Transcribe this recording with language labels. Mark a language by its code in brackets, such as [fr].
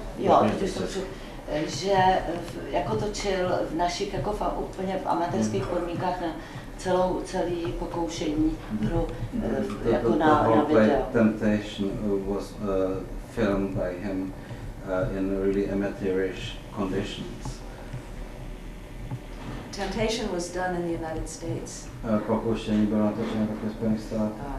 [cs] Jo, že jako točil v našich, jako úplně v amatérských podmínkách na celý pokoušení hru jako na video. [en] Temptation was filmed by him in really amateurish conditions. Temptation was done in the United States. [cs] Pokoušení bylo natočeno také v Spojených státech.